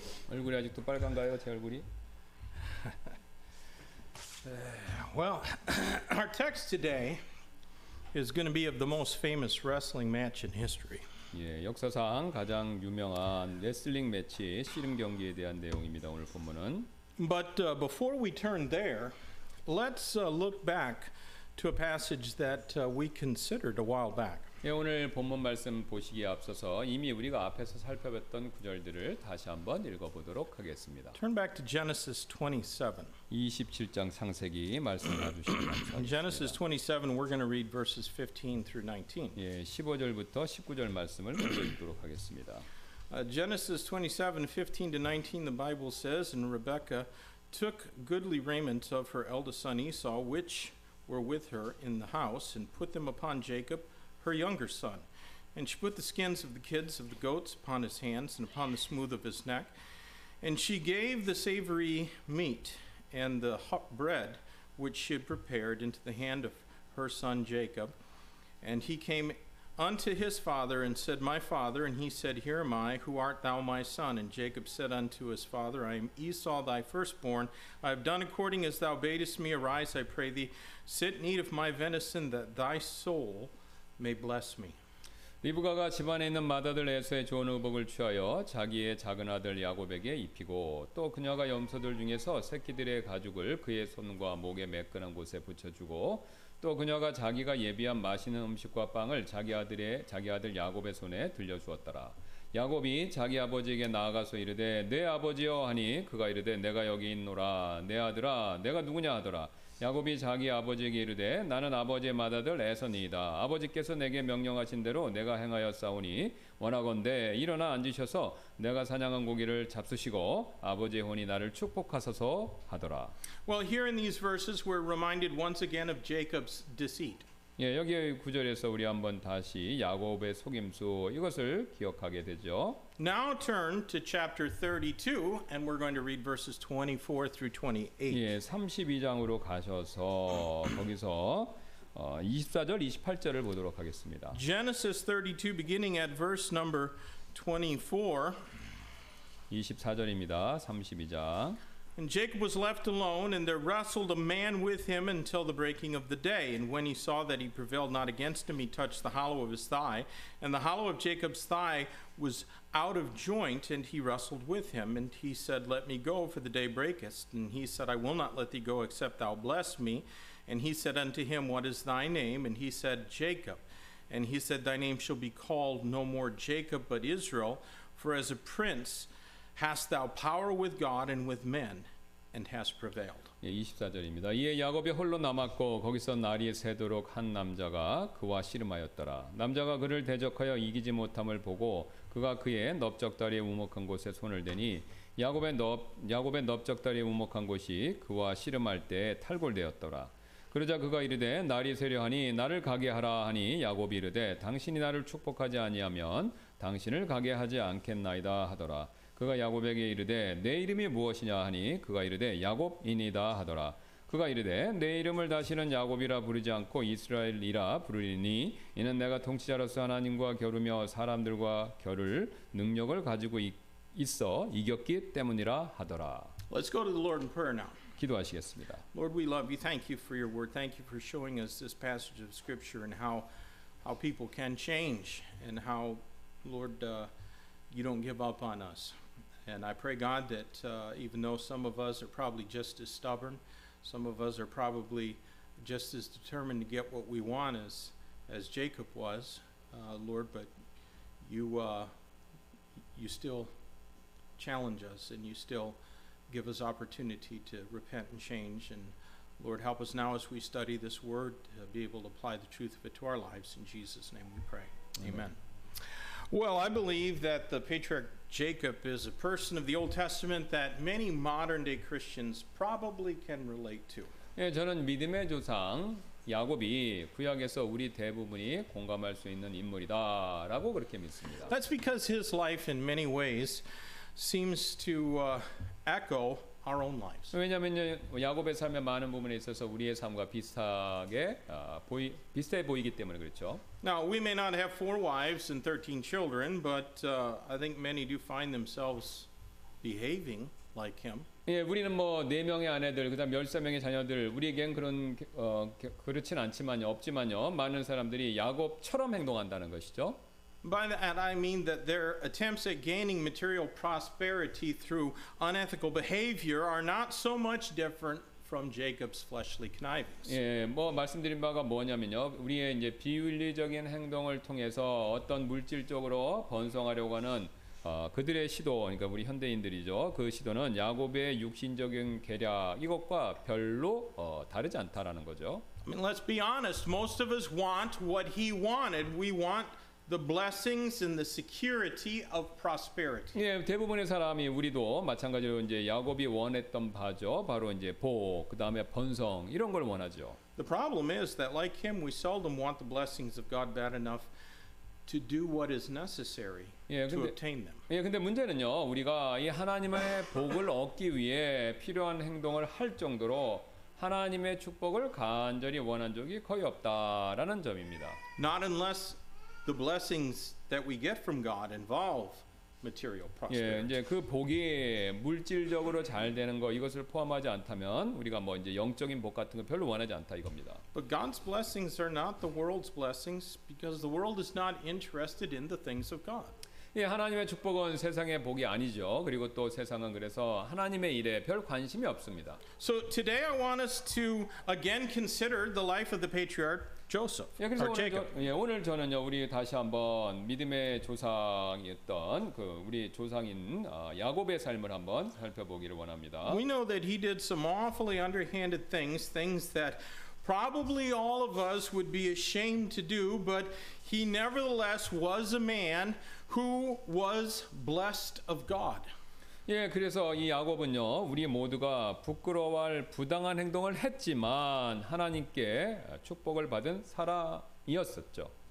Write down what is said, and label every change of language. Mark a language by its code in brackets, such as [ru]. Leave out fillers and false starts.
[ko] 얼굴이 아직도 빨간가요, 제 얼굴이? [en] Well, our text today is going to be of the most famous wrestling match in history. [ko] 예, 역사상 가장 유명한 레슬링 매치 씨름 경기에 대한 내용입니다. 오늘 본문은. [en] But before we turn there, let's look back to a passage that we considered a while back. [ko] 예, 오늘 본문 말씀 보시기에 앞서서 이미 우리가 앞에서 살펴봤던 구절들을 다시 한번 읽어보도록 하겠습니다. [en] Turn back to Genesis 27. [ko] 27장 창세기 말씀해 주시기 바랍니다. [en] Genesis 27, we're going to read verses 15 through 19. [ko] 예, 15절부터 19절 말씀을 먼저 읽도록 하겠습니다. [en] Genesis 27, 15 to 19, the Bible says, and Rebekah took goodly raiment of her eldest son Esau, which were with her in the house, and put them upon Jacob, her younger son. And she put the skins of the kids of the goats upon his hands and upon the smooth of his neck. And she gave the savory meat and the hot bread which she had prepared into the hand of her son Jacob. And he came unto his father and said, My father. And he said, Here am I. Who art thou, my son? And Jacob said unto his father, I am Esau, thy firstborn. I have done according as thou badest me. Arise, I pray thee. Sit and eat of my venison, that thy soul may bless me. [ko] 리브가가 집안에 있는 맏아들 에서의 좋은 의복을 취하여 자기의 작은 아들 야곱에게 입히고 또 그녀가 염소들 중에서 새끼들의 가죽을 그의 손과 목에 매끈한 곳에 붙여주고 또 그녀가 자기가 예비한 맛있는 음식과 빵을 자기 아들 야곱의 손에 들려주었더라. 야곱이 자기 아버지에게 나아가서 이르되 내 아버지여 하니 그가 이르되 내가 여기 있노라 내 아들아 내가 누구냐 하더라. 야곱이 자기 아버지에게 이르되 나는 아버지의 맏아들 에서니이다. 아버지께서 내게 명령하신 대로 내가 행하여 싸우니 원하건대 일어나 앉으셔서 내가 사냥한 고기를 잡수시고 아버지의 혼이 나를 축복하소서 하더라. [en] Well, here in these verses we're reminded once again of Jacob's deceit. [ko] 예, 여기 구절에서 우리 한번 다시 야곱의 속임수 이것을 기억하게 되죠. [en] Now turn to chapter 32 and we're going to read verses 24 through 28. [ko] 예, 32장으로 가셔서 거기서 24절, 28절을 보도록 하겠습니다. [en] Genesis 32 beginning at verse number 24. [ko] 24절입니다. 32장. [en] And Jacob was left alone, and there wrestled a man with him until the breaking of the day. And when he saw that he prevailed not against him, he touched the hollow of his thigh. And the hollow of Jacob's thigh was out of joint, and he wrestled with him. And he said, Let me go, for the day breaketh. And he said, I will not let thee go, except thou bless me. And he said unto him, What is thy name? And he said, Jacob. And he said, Thy name shall be called no more Jacob, but Israel, for as a prince Hast thou power with God and with men, and hast prevailed? [ko] 예, 24절입니다. 이에 야곱이 홀로 남았고 거기서 날이 새도록 한 남자가 그와 씨름하였더라. 남자가 그를 대적하여 이기지 못함을 보고 그가 그의 넓적다리에 우목한 곳에 손을 대니 야곱의 넓적다리에 우목한 곳이 그와 씨름할 때 탈골되었더라. 그러자 그가 이르되 날이 새려하니 나를 가게 하라 하니 야곱이 이르되 당신이 나를 축복하지 아니하면 당신을 가게 하지 않겠나이다 하더라. 그가 야곱에게 이르되 내 이름이 무엇이냐 하니 그가 이르되 야곱이니이다 하더라. 그가 이르되 내 이름을 다시는 야곱이라 부르지 않고 이스라엘이라 부르리니 이는 내가 통치자로서 하나님과 겨루며 사람들과 겨룰 능력을 가지고 있어 이겼기 때문이라 하더라. [en] Let's go to the Lord in prayer now. [ko] 기도하시겠습니다. [en] Lord, we love you. Thank you for your word. Thank you for showing us this passage of scripture and how people can change and how Lord You don't give up on us. And I pray, God, that even though some of us are probably just as stubborn, some of us are probably just as determined to get what we want as Jacob was, Lord, but you still challenge us and you still give us opportunity to repent and change. And Lord, help us now as we study this word to be able to apply the truth of it to our lives. In Jesus' name we pray. Amen. Amen. Well, I believe that the patriarch Jacob is a person of the Old Testament that many modern-day Christians probably can relate to. [ko] 예, 저는 믿음의 조상 야곱이 구약에서 우리 대부분이 공감할 수 있는 인물이다라고 그렇게 믿습니다. [en] That's because his life in many ways seems to echo our own lives. [ko] 왜냐하면 야곱의 삶의 많은 부분에 있어서 우리의 삶과 비슷하게 비슷해 보이기 때문에 그렇죠. [en] Now we may not have four wives and 13 children, but I think many do find themselves behaving like him. [ko] 예, 우리는 뭐 네 명의 아내들, 그다음 13명의 자녀들, 우리에겐 그런 그렇진 않지만요, 없지만요, 많은 사람들이 야곱처럼 행동한다는 것이죠. [en] By that I mean that their attempts at gaining material prosperity through unethical behavior are not so much different from Jacob's fleshly connivings. [ko] 예, 뭐 말씀드린 바가 뭐냐면요, 우리의 이제 비윤리적인 행동을 통해서 어떤 물질적으로 번성하려고 하는 그들의 시도, 그러니까 우리 현대인들이죠. 그 시도는 야곱의 육신적인 계략 이것과 별로 다르지 않다라는 거죠. [en] I mean, let's be honest. Most of us want what he wanted. We want the blessings and the security of prosperity. [ko] 예, 대부분의 사람이 우리도 마찬가지로 이제 야곱이 원했던 바죠. 바로 이제 복, 그다음에 번성 이런 걸 원하죠. [en] The problem is that like him, we seldom want the blessings of God bad enough to do what is necessary. [ko] 예, 근데, [en] to obtain them. [ko] 예, 근데 문제는요. 우리가 이 하나님의 복을 얻기 위해 필요한 행동을 할 정도로 하나님의 축복을 간절히 원한 적이 거의 없다라는 점입니다. [en] Not unless the blessings that we get from God involve material prosperity. [ko] 예, 이제 그 복이 물질적으로 잘 되는 거 이것을 포함하지 않다면 우리가 뭐 이제 영적인 복 같은 거 별로 원하지 않다 이겁니다. [en] But God's blessings are not the world's blessings because the world is not interested in the things of God. [ko] 예, 하나님의 축복은 세상의 복이 아니죠. 그리고 또 세상은 그래서 하나님의 일에 별 관심이 없습니다. [en] So today I want us to again consider the life of the patriarch Joseph. [ko] 예, 그래서 오늘 저는요, 우리 다시 한번 믿음의 조상이었던 그 우리 조상인 야곱의 삶을 한번 살펴보기를 원합니다. [en] We know that he did some awfully underhanded things, things that probably all of us would be ashamed to do, but he nevertheless was a man who was blessed of God. [ko] 예, 그래서 이 야곱은요, 우리 모두가 부끄러워할 부당한 행동을 했지만 하나님께 축복을 받은 사람이었었죠.